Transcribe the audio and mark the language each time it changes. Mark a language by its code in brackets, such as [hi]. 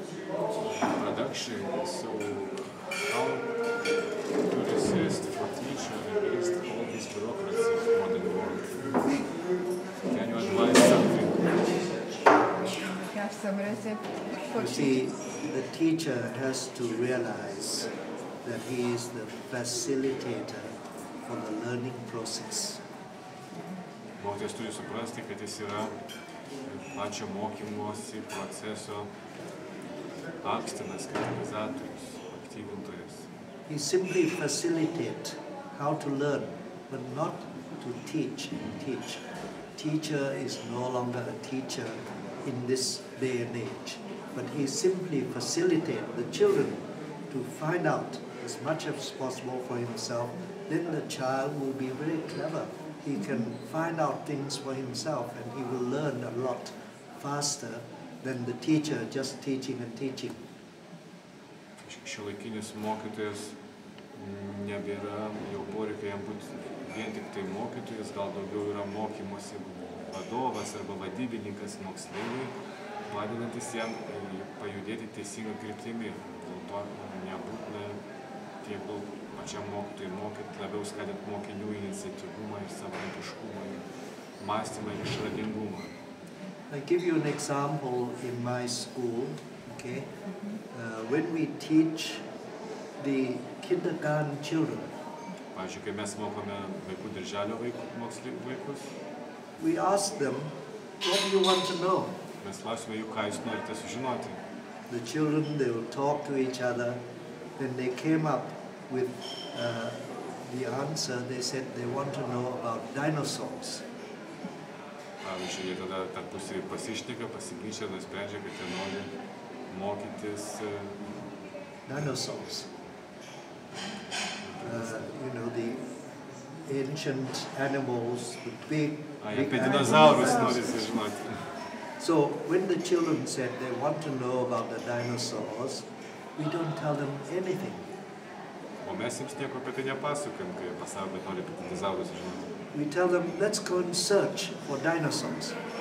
[en] Production is so how to resist for teaching against all this bureaucracy of modern world. Can you advise something? We have some recipe for teaching. You see, the teacher has to realize that he is the facilitator for the learning process. [lt] Mokytojas turi suprasti, kad jis yra pačio mokymosi proceso akstinas, katalizatorius, aktyvintojas. [en] He simply facilitate how to learn, but not to teach and teach. Teacher is no longer a teacher in this day and age, but he simply facilitate the children to find out as much as possible for himself, then the child will be very clever. He can find out things for himself and he will learn a lot faster than the teacher just teaching and teaching. [lt] Šiuolaikinis mokytojas nebėra jau poreikio jam būti vien tik tai mokytojas, gal daugiau yra mokymosi vadovas arba vadybininkas moksleiviui, padedantis jam pajudėti teisingą kryptimį. Dėl to nebūtina tiek daug pačiam mokytojui mokyti, labiau skatinti mokinių iniciatyvumą ir savarankiškumą, mąstymą ir išradingumą. [en] I give you an example in my school, okay? When we teach the kindergarten children, [lt] pavyzdžiui, kai mes mokome vaikų darželio vaikus, [en] we ask them, what do you want to know? [lt] Mes klausime jų, ką jūs norite sužinoti. [en] The children, they will talk to each other, then they came up with the answer, they said they want to know about dinosaurs. [lt] Pavyzdžiui, jie tada tarpusį pasišneka, pasiginčia, nusprendžia, kad jie nori mokytis [en] dinosaurs. You know, the ancient animals, the big dinosaurs. So, when the children said they want to know about the dinosaurs, we don't tell them anything. [lt] O mes jiems nieko apie tai nepasakom, kai pasako, kad nori apie dinozaurus žinoti. [en] We tell them, let's go and search for dinosaurs.